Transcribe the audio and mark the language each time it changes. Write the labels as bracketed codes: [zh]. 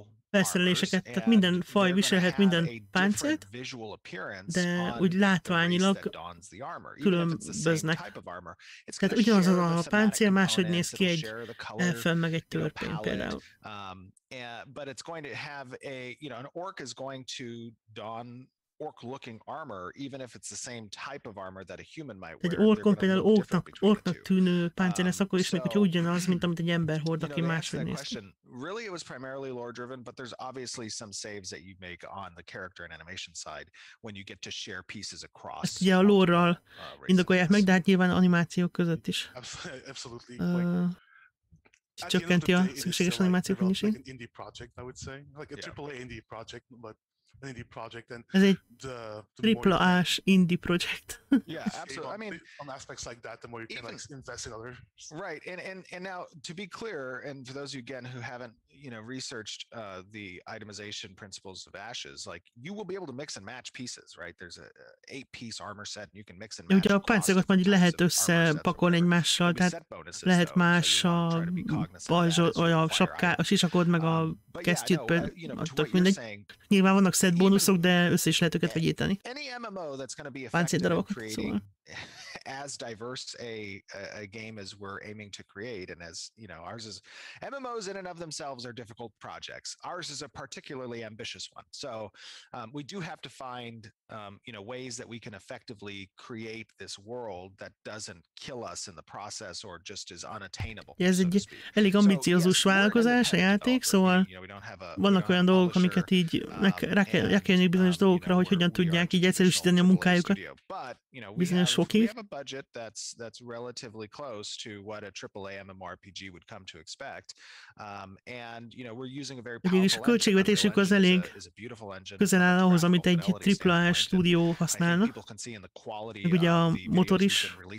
[hu] felszereléseket, tehát minden faj viselhet minden páncélt, de úgy látványilag különböznek. Tehát ugyanaz a páncél, máshogy néz ki egy elfen meg egy törpén például. [en] But it's going to have a, you know, an orc is going to don orc-looking armor, even if it's the same type of armor that a human might wear. [hu] Egy orkon például orknak tűnő páncél lesz akkor is, hogyha ugyanaz, mint amit egy ember hord, aki máshogy néz ki. [en] Really, it was primarily lore-driven, but there's obviously some saves that you make on the character and animation side when you get to share pieces across. [hu] Ezt ugye a lore-ral indokolják meg, de hát nyilván animációk között is. [en] Absolutely. [hu] Csökkenti a szükséges animációk mennyiség. [en] Like an indie project, I would say. Like a triple A indie project, but an indie project and [hu] ez egy triple A-s indie project. [en] Yeah, absolutely. I mean, on aspects like that, the more you can even, like, invest in other. Right, and now to be clear, and for those of you again who haven't, you know, researched the itemization principles of Ashes, like you will be able to mix and match pieces, right? There's an 8-piece armor set, and you can mix and match. [hu] Ugye a páncélokat majd lehet összepakolni egymással, tehát lehet más a pajzsod, a sapká, a sisakod, meg a kesztyűt, adtok mindegy. Nyilván vannak set bónuszok, de össze is lehet őket vegyíteni. Páncél darabokat, szóval. [en] As diverse a game as we're aiming to create, and as you know, ours is MMOs in and of themselves are difficult projects. Ours is a particularly ambitious one, so we do have to find you know, ways that we can effectively create this world that doesn't kill us in the process or just is unattainable. [hu] Ez egy elég ambiciózus vállalkozás a játék, szóval vannak olyan dolgok, amiket így rá kell jönni bizonyos dolgokra, hogy hogyan tudják így egyszerűsíteni a munkájukat. Bizonyos sokig. [en] Budget that's relatively close to what a triple A MMORPG would come to expect, and you know we're using a very powerful engine. Is a beautiful engine. [hu] Közel áll ahhoz, amit egy triple A stúdió használna. Meg ugye a motor is.